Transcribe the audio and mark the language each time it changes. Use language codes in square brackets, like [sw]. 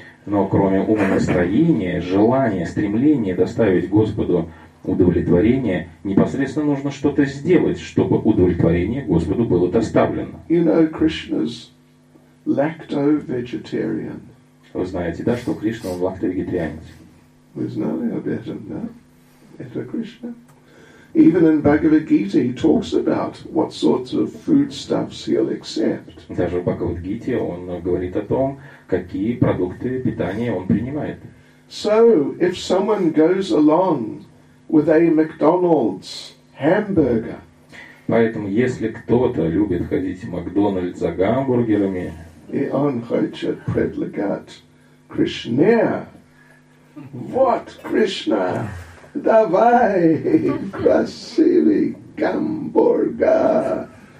[ru] Но кроме ума настроения, желания, стремления доставить Господу удовлетворение, непосредственно нужно что-то сделать, чтобы удовлетворение Господу было доставлено. [en] You know, Krishna's lacto-vegetarian. [ru] Вы знаете, да, что Кришна, он лакто-вегетарианец? Вы знали об этом, да? Это Кришна? [en] Even in Bhagavad Gita, he talks about what sorts of foodstuffs he'll accept. [ru] Даже в Бхагавад Гите он говорит о том, какие продукты питания он принимает. [en] So, if someone goes along with a McDonald's hamburger, [ru] поэтому если кто-то любит ходить в Макдональдс за гамбургерами, и он хочет предлагать Кришне, вот Кришна. Давай, красивый гамбургер.